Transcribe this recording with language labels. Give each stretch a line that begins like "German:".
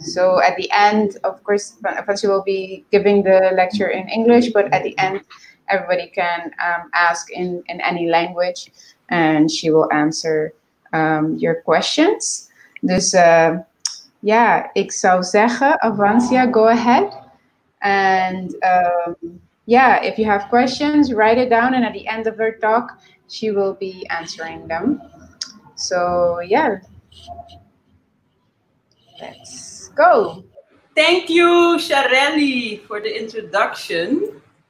English: So at the end, of course, Avantia will be giving the lecture in English, but at the end, everybody can ask in any language and she will answer your questions.
Dutch: Dus ik zou zeggen, Avantia,
English: go ahead. And if you have questions, write it down and at the end of her talk, she will be answering them. So yeah. Let's go. Thank you, Sharelli, for the introduction.